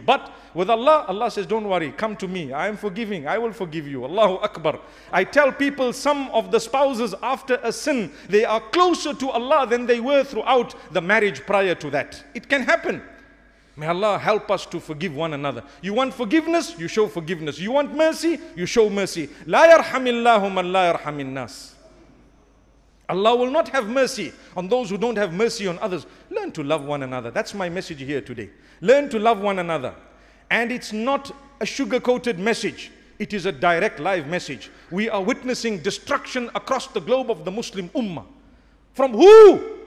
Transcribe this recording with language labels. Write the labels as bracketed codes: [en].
[en] But with Allah, Allah says, don't worry, come to me. I am forgiving. I will forgive you. Allahu Akbar. I tell people, some of the spouses after a sin, they are closer to Allah than they were throughout the marriage prior to that. It can happen. May Allah help us to forgive one another. You want forgiveness? You show forgiveness. You want mercy? You show mercy. [ar] لا يرحم الله من لا يرحم الناس. [en] Allah will not have mercy on those who don't have mercy on others. Learn to love one another. That's my message here today. Learn to love one another. And it's not a sugar-coated message. It is a direct live message. We are witnessing destruction across the globe of the Muslim Ummah. From who?